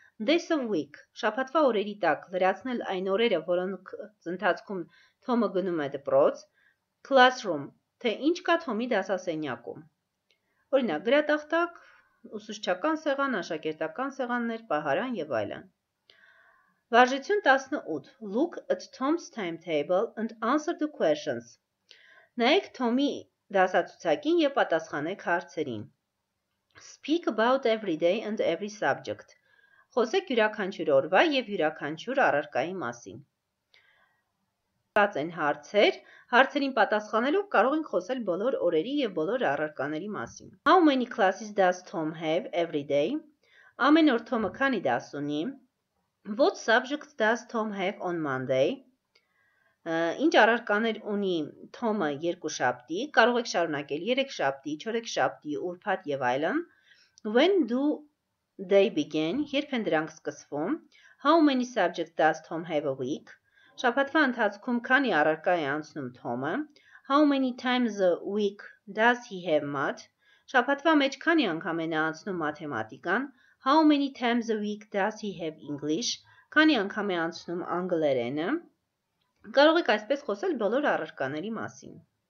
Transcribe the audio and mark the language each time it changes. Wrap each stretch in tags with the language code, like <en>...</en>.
<en>Days of week</en> <hy>շաբաթվա օրերի տակ լրացնել այն օրերը, որոնք ընթացքում Թոմը գնում է դպրոց. Classroom, թե ինչ կա Թոմի դասասենյակում. Օրինակ՝ գրատախտակ, ուսուցչական սեղան, աշակերտական սեղաններ, պահարան եւ այլն. Բաժություն 18.</hy> <en>Look at Tom's timetable and answer the questions.</en> <hy>Նայեք Թոմի դասացուցակին եւ պատասխանեք հարցերին.</hy> <en>Speak about every day and every subject.</en> <hy>խոսեք յուրաքանչյուր օրվա եւ յուրաքանչյուր առարկայի մասին։ Բաց են հարցեր, հարցերին պատասխանելով կարող ենք խոսել բոլոր օրերի եւ բոլոր առարկաների մասին։</hy> <en>How many classes does Tom have every day?</en> <hy>Ամենօր Թոմը քանի դաս ունի?</hy> <en>What subjects does Tom have on Monday?</en> <hy>Ինչ առարկաներ ունի Թոմը երկու շաբթի, կարող եք շարունակել 3 շաբթի, 4 շաբթի, ուրբաթ եւ այլն։</hy> <en>When do they begin?</en> <hy>Երբ են դրանք սկսվում?</hy> <en>How many subjects does Tom have a week?</en> <hy>Շաբաթվա ընթացքում քանի առարկա է անցնում Թոմը?</hy> <en>How many times a week does he have math?</en> <hy>Շաբաթվա մեջ քանի անգամ է անցնում մաթեմատիկան?</hy> <en>How many times a week does he have English?</en> <hy>Քանի անգամ է անցնում անգլերենը? Կարող եք այսպես խոսել բոլոր առարկաների մասին։</hy>